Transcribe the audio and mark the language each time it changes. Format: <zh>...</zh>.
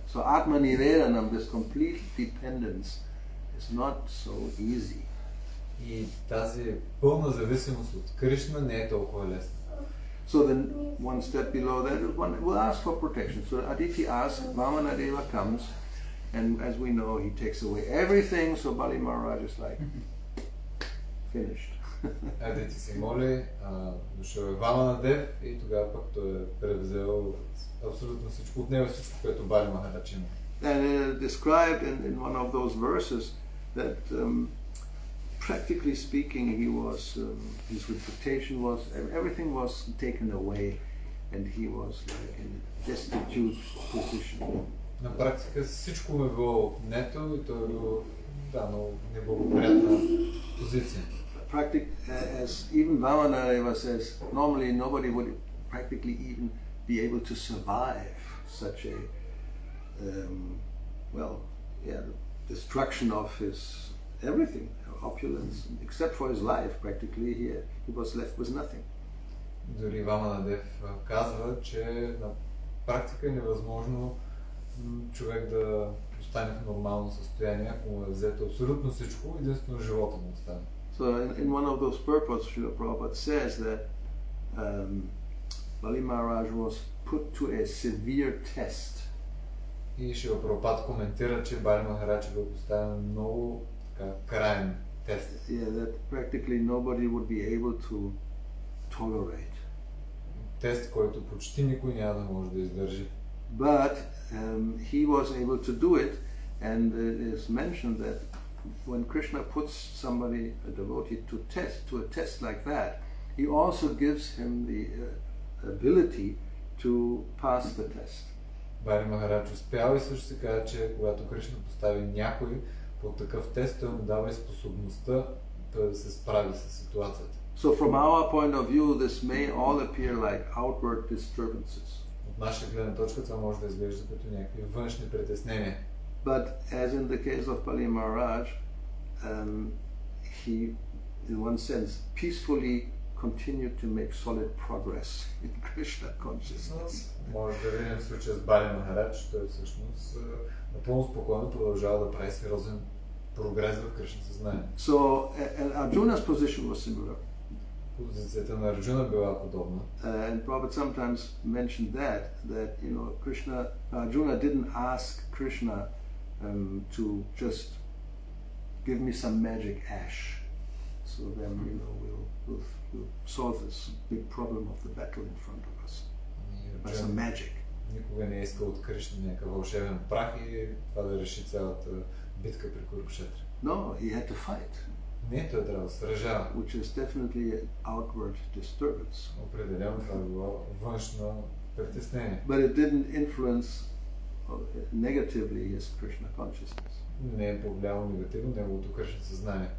<en>So Atma Nivedanam, this complete dependence, is not so easy.</en> <bg>И тази пълна зависимост от Кришна не е толкова лесна.</bg> <en>So then one step below that, one will ask for protection. So Aditi asks, Vamana Deva comes, and as we know, he takes away everything, so Bali Maharaj is like, finished.</en> <bg>Адити се моли, дошъл е Вамана Дев и тогава пък той е превзел абсолютно всичко от него, всичко, което Бали Махарадж има.</bg> <en>And it is described in one of those verses that practically speaking he was, his reputation was, everything was taken away and he was like in a destitute position.</en> <bg>На практика всичко му е било отнето и той е бил, да, но неблагоприятна позиция.</bg> <en>As even Vamanadeva says, normally nobody would practically even be able to survive such a, the destruction of his everything, opulence, except for his life, practically here, he was left with nothing.</en> <bg>Дори Vamanadev казва, че на практика е невъзможно човек да остане в нормално състояние, ако му е взето абсолютно всичко, единствено живота му остане.</bg> <en>So in one of those purports, Srila Prabhupada says that Bali Maharaj was put to a severe test.</en> <bg>И Шрила Прабхупада коментира, че Бали Махарадж бил поставен много краен тест.</bg> <en>Yeah, that practically nobody would be able to tolerate.</en> <bg>Тест, който почти никой няма да може да издържи.</bg> <en>But he was able to do it, and it is mentioned that when Krishna puts somebody, a devotee, to a test like that, he also gives him the ability to pass the test.</en> <bg>Бали Махарадж успял и също се казва, че когато Кришна постави някой под такъв тест, той му дава и способността да се справи с ситуацията.</bg> <en>So from our point of view, this may all appear like outward disturbances.</en> <bg>От наша гледна точка това може да изглежда като някакви външни притеснения.</bg> <en>But as in the case of Bali Maharaj, he, in one sense, peacefully continued to make solid progress in Krishna consciousness.</en> <bg>Може да видим в случая с Бали Махарадж, той всъщност напълно спокойно продължава да прави сериозен прогрес в Кришна съзнание.</bg> <en>So Arjuna's position was similar.</en> <bg>Позицията на Арджуна била подобна.</bg> <en>And Prabhupada sometimes mentioned that you know, Krishna, Arjuna didn't ask Krishna to just give me some magic ash, so then you know we'll solve this big problem of the battle in front of us by some magic.</en> <bg>Никога не е искал от Кришна някакъв вълшебен прах и това да реши цялата битка при Курукшетра.</bg> <en>No, he had to fight.</en> <bg>Не, той трябва да сражава.</bg> <en>Which is definitely an outward disturbance.</en> <bg>Определено това било външно притеснение.</bg> <en>But it didn't influence negatively his Krishna consciousness.</en> <bg>Не е повлияло негативно неговото Кришна съзнание.</bg>